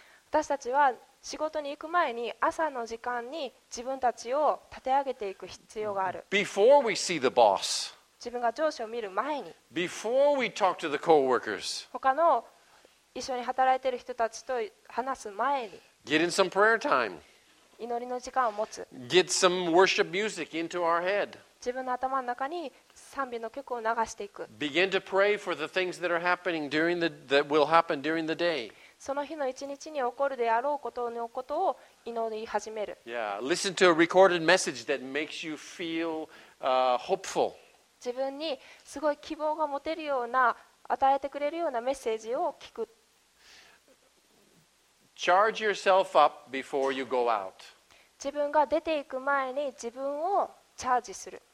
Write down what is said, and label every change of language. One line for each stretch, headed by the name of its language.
Japanese: 私たちは仕事に行く前に朝の時間に自分たちを立て上げていく必要がある。
English: Before we see the boss.
Japanese: 自分が上司を見る前に。
English: Before we talk to the coworkers.
Japanese: 他の一緒に働いている人たちと話す前に。
English: Get in some prayer time.
Japanese: 祈りの時間を持つ。
English: Get some worship music into our head.
Japanese: 自分の頭の中に賛美の曲を流していく。
English: Begin to pray for the things that are happening during the that will happen during the day.
Japanese: その日の一日に起こるであろうことのことを祈り始める。
English: Yeah, listen to a recorded message that makes you feel hopeful.
Japanese: 自分にすごい希望が持てるような与えてくれるようなメッセージを聞く。
English: Charge yourself up before you go out.
Japanese: 自分が出ていく前に自分をチャージする。